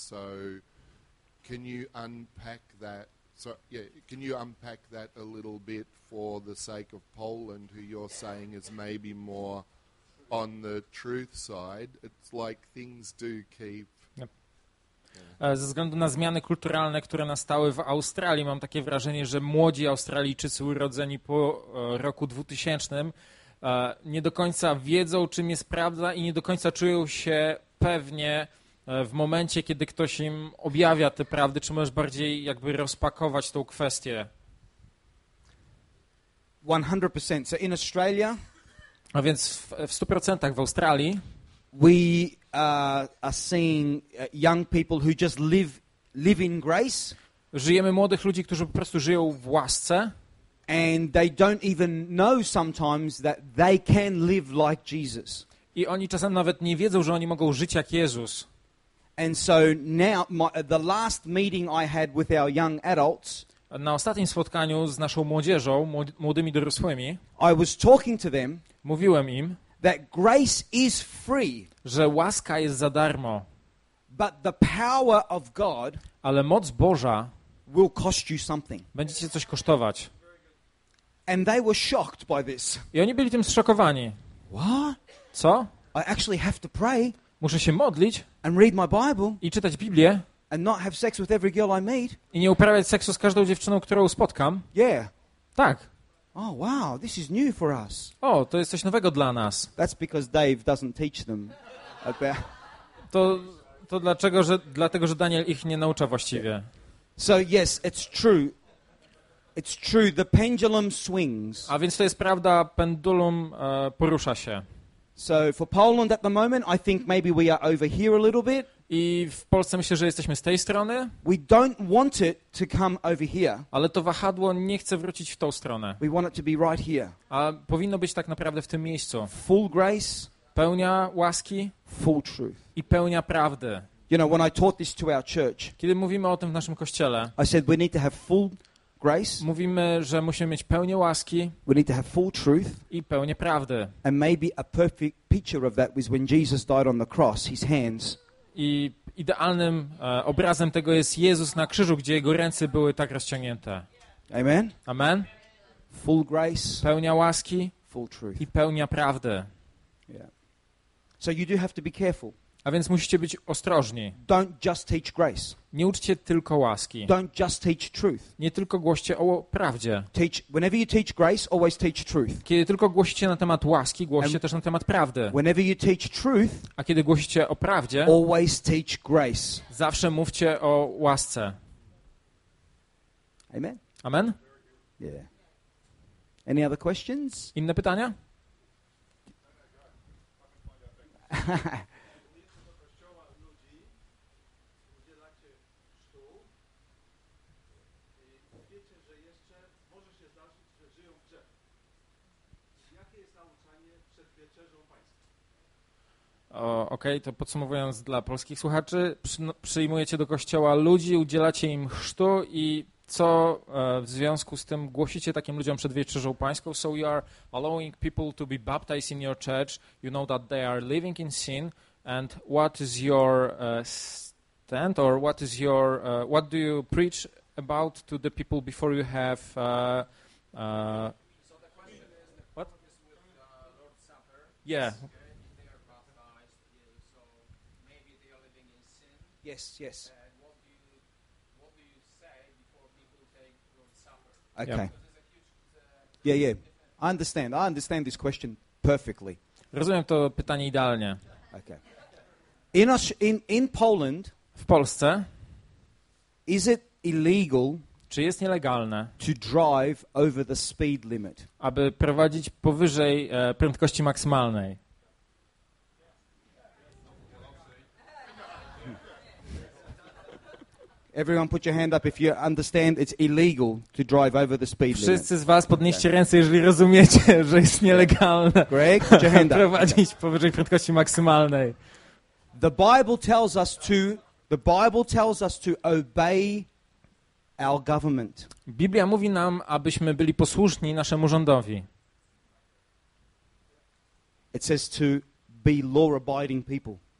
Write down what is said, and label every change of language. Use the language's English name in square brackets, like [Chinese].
[English] So can you unpack that? So yeah, can you unpack that a little bit for the sake of Poland, who you're saying is maybe more on the truth side? It's like things do keep. [Polish] Ze względu na zmiany kulturalne, które nastały w Australii, mam takie wrażenie, że młodzi Australijczycy urodzeni po roku 2000 nie do końca wiedzą, czym jest prawda i nie do końca czują się pewnie w momencie, kiedy ktoś im objawia te prawdy, czy możesz bardziej jakby rozpakować tą kwestię? [English] 100%. So in Australia, [Polish] a więc w 100% w Australii [English] we are seeing young people who just live in grace. [Polish] Żyjemy młodych ludzi, którzy po prostu żyją w łasce. [English] And they don't even know sometimes that they can live like Jesus. [Polish] I oni czasem nawet nie wiedzą, że oni mogą żyć jak Jezus. [English] And so now the last meeting I had with our young adults. [Polish] Na ostatnim spotkaniu z naszą młodzieżą, młodymi dorosłymi, [English] I was talking to them. [Polish] Mówiłem im, [English] that grace is free. [Polish] Że łaska jest za darmo. [English] But the power of God. [Polish] Ale moc Boża [English] will cost you something. [Polish] Będzie cię coś kosztować. [English] And they were shocked by this. [Polish] I oni byli tym zszokowani. [English] What? [Polish] Co? [English] I actually have to pray. [Polish] Muszę się modlić [English] and read my Bible [Polish] i czytać Biblię [English] and not have sex with every girl I meet. [Polish] I nie uprawiać seksu z każdą dziewczyną, którą spotkam. [English] Yeah. [Polish] Tak. [English] Oh wow, this is new for us. [Polish] O, to jest coś nowego dla nas. [English] That's because Dave doesn't teach them about... [Polish] To dlaczego, że dlatego, że Daniel ich nie naucza właściwie. [English] So yes, it's true. It's true, the pendulum swings. [Polish] A więc to jest prawda, pendulum porusza się. [English] So for Poland at the moment, I think maybe we are over here a little bit. [Polish] I w Polsce myślę, że jesteśmy z tej strony. [English] We don't want it to come over here. [Polish] Ale to wahadło nie chce wrócić w tą stronę. [English] We want it to be right here. [Polish] A powinno być tak naprawdę w tym miejscu. [English] Full grace. [Polish] Pełnia łaski. [English] Full truth. [Polish] I pełnia prawdy. [English] You know, when I taught this to our church. [Polish] Kiedy mówimy o tym w naszym kościele. [English] I said we need to have full grace. [Polish] Mówimy, że musimy mieć pełnię łaski. [English] We need to have full truth. [Polish] I pełnię prawdy. [English] And maybe a perfect picture of that was when Jesus died on the cross, his hands. [Polish] I idealnym obrazem tego jest Jezus na krzyżu, gdzie jego ręce były tak rozciągnięte. [English] Amen. [Polish] Amen. [English] Full grace. [Polish] Pełnia łaski. [English] Full truth. [Polish] I pełnia prawdy. [English] Yeah. So you do have to be careful. [Polish] A więc musicie być ostrożni. [English] Don't just teach grace. [Polish] Nie uczcie tylko łaski. [English] Don't just teach truth. [Polish] Nie tylko głoście o prawdzie. [English] Teach, whenever you teach grace, always teach truth. [Polish] Kiedy tylko głosicie na temat łaski, głoście też na temat prawdy. [English] Whenever you teach truth, [Polish] a kiedy głosicie o prawdzie, [English] always teach grace. [Polish] Zawsze mówcie o łasce. [English] Amen. [Polish] Amen. [English] Yeah. Any other questions? [Polish] Inne pytania? Okej, to podsumowując dla polskich słuchaczy, przyjmujecie do kościoła ludzi, udzielacie im chrztu i co w związku z tym głosicie takim ludziom przed wieczerzą pańską? [English] So you are allowing people to be baptized in your church, you know that they are living in sin, and what is your stand, or what is your, what do you preach about to the people before you have... So the question is, the what? Is with Lord's Supper. Yeah. Yes. What do you say before people take Lord's Supper? Okay. Yeah. I understand this question perfectly. [Polish] Rozumiem to pytanie idealnie. [English] Okay. In Poland. [Polish] W Polsce. [English] Is it illegal? [Polish] Czy jest nielegalne? [English] To drive over the speed limit. [Polish] Aby prowadzić powyżej prędkości maksymalnej. [English] Everyone put your hand up if you understand it's illegal to drive over the speed limit. [Polish] Wszyscy z was podnieście ręce, jeżeli rozumiecie, że jest nielegalne. [English] Greg, put your hand up. [Polish] Prowadzić powyżej prędkości maksymalnej. [English] The Bible tells us to obey our government. [Polish] Biblia mówi nam, abyśmy byli posłuszni naszemu rządowi. [English] It says to be law-abiding people.